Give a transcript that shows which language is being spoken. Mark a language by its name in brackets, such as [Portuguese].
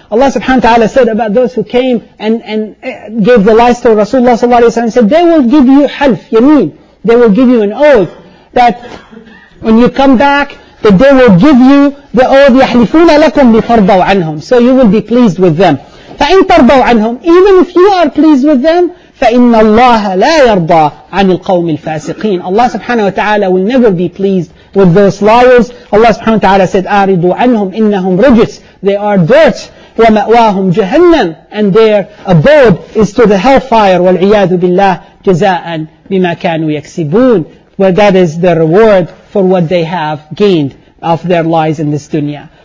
[English] Allah subhanahu wa ta'ala said about those who came and gave the lies to Rasulullah sallallahu alayhi wa sallam, said they will give you half, yameen. They will give you an oath that when you come back, that they will give you the oath, [Arabic] يَحْلِفُونَ لَكُمْ لِتَرْضَوْا عَنْهُمْ, [English] so you will be pleased with them. [Arabic] فَإِنْ تَرْضَوْا عَنْهُمْ, [English] even if you are pleased with them, [Arabic] فَإِنَّ اللَّهَ لَا يَرْضَى عَنِ الْقَوْمِ الْفَاسِقِينَ. [English] Allah subhanahu wa ta'ala will never be pleased with those liars. Allah subhanahu wa ta'ala said, [Arabic] أَعْرِضُوا عَنْهُمْ إِنَّهُمْ رِجْسٌ, [English] they are dirt. [Arabic] وَمَأْوَاهُمْ جَهَنَّمْ, [English] and their abode is to the hellfire. [Arabic] وَالْعِيَاذُ بِاللَّهِ جَزَاءً بِمَا كَانُوا يَكْسِبُونَ, [English] well, that is the reward for what they have gained of their lies in this dunya.